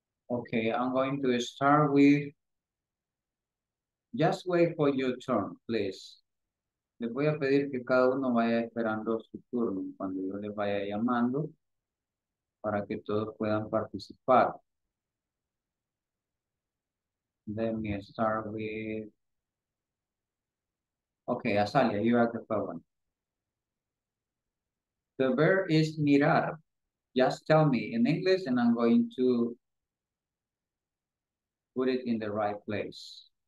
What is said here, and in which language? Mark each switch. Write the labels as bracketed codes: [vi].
[en] Okay, I'm going to start with, just wait for your turn, please. [es] Les voy a pedir que cada uno vaya esperando su turno cuando yo les vaya llamando para que todos puedan participar. [en] Let me start with, okay, Azalia, you are the first one. The verb is mirar. Just tell me in English and I'm going to put it in the right place.